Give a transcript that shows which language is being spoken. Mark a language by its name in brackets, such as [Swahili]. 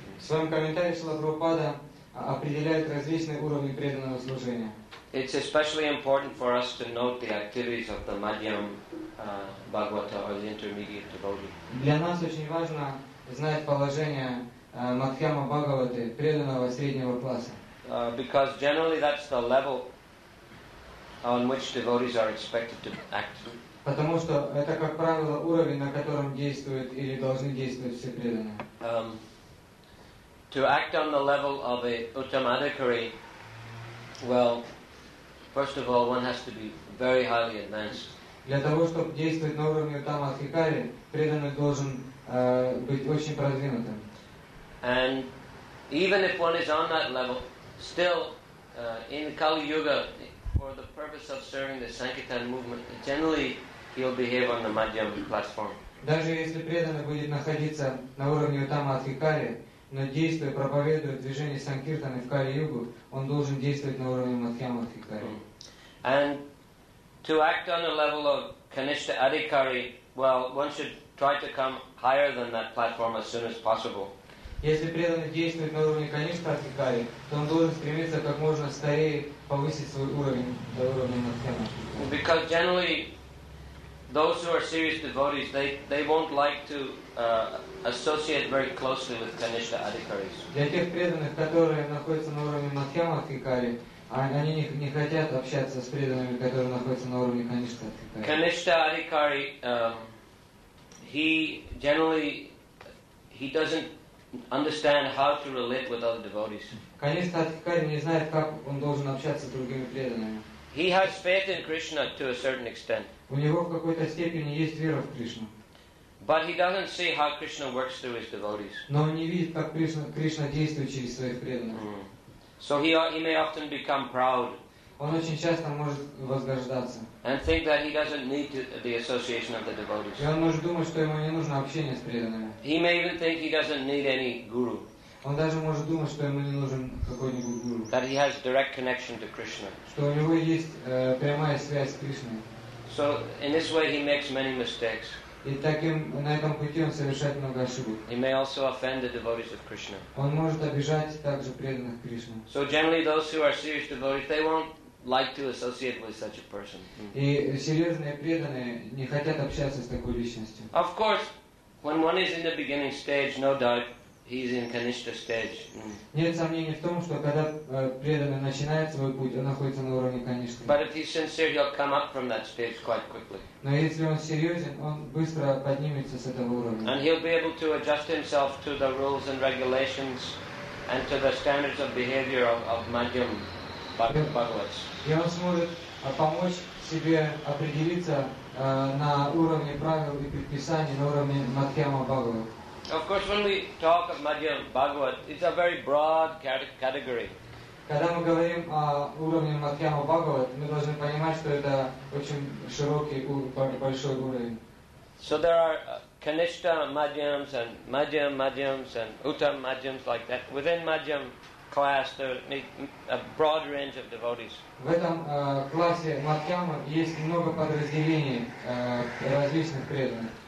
[Russian] В своем комментарии Шрила Прабхупада определяет различные уровни преданного служения. [English] It's especially important for us to note the activities of the Madhyam Bhagavata or the intermediate devotee. [Russian] Для нас очень важно знать положение Мадхьяма Бхагаваты, преданного среднего класса. [English] Because generally that's the level on which devotees are expected to act. [Russian] Потому что это, как правило, уровень, на котором действуют или должны действовать все преданные. [English] To act on the level of a Uttamadhikari, well, first of all, one has to be very highly advanced. [Russian] Для того, чтобы действовать на уровне Уттамадхикари, преданный должен быть очень продвинутым. [English] And even if one is on that level, still, in Kali Yuga, for the purpose of serving the Sankirtan movement, generally, he'll behave on the Madhyam platform. [Russian] Даже если преданный будет находиться на уровне Уттамадхикари, но действуя, проповедуя движение Санкиртаны в Кали-Югу, он должен действовать на уровне Мадхьяма-Адхикари. [English] And to act on the level of Kanishtha Adhikari, well, one should try to come higher than that platform as soon as possible. [Russian] Если преданный действует на уровне Kanishtha Adhikari, то он должен стремиться как можно скорее повысить свой уровень до уровня Мадхьяма-Адхикари. [English] Because generally, those who are serious devotees, they won't like to associate very closely with Kanishtha Adhikaris. [Russian] Для тех преданных, которые находятся на уровне Мадхьяма-Адхикари, они не хотят общаться с преданными, которые находятся на уровне Kanishtha Adhikari. [English] Kanishtha Adhikari, he generally doesn't understand how to relate with other devotees. [Russian] Kanishtha Adhikari не знает, как он должен общаться с другими преданными. [English] He has faith in Krishna to a certain extent. [Russian] У него в какой-то степени есть вера в Кришну. [English] But he doesn't see how Krishna works through his devotees. [Russian] Но он не видит, как Кришна действует через своих преданных. [English] So he may often become proud. [Russian] Он очень часто может возгождаться. [English] And think that he doesn't need the association of the devotees. [Russian] И он может думать, что ему не нужно общение с преданными. [English] He may even think he doesn't need any guru. [Russian] Он даже может думать, что ему не нужен какой-нибудь гуру. [English] That he has direct connection to Krishna. [Russian] Что у него есть прямая связь с Кришной. [English] So in this way he makes many mistakes. [Russian] И таким на этом пути он совершает много ошибок. [English] He may also offend the devotees of Krishna. [Russian] Он может обижать также преданных Кришны. [English] So generally those who are serious devotees, they won't like to associate with such a person. [Russian] И серьезные преданные не хотят общаться с такой личностью. [English] Of course, when one is in the beginning stage, no doubt, he's in Kanishtha stage. [Russian] Нет сомнений в том, что когда преданный начинает свой путь, он находится на уровне Kanishtha. [English] But if he's sincere, he'll come up from that stage quite quickly. [Russian] Но если он серьезен, он быстро поднимется с этого уровня. [English] And he'll be able to adjust himself to the rules and regulations and to the standards of behavior of Madhyam Bhagavats. [Russian] И он сможет помочь себе определиться на уровне правил и предписаний, на уровне Мадхьяма Бхагавата. [English] Of course, when we talk of Madhyam Bhagavat, it's a very broad category. [Russian] Когда мы говорим о уровне Мадхьяма Бхагавата, мы должны понимать, что это очень широкий, большой уровень. [English] So there are Kanishtha Madhyams and Madhyam Madhyams and Uttam Madhyams like that. Within Madhyam class, there is a broad range of devotees. [Russian] В этом классе Мадхьяма есть много подразделений различных преданных.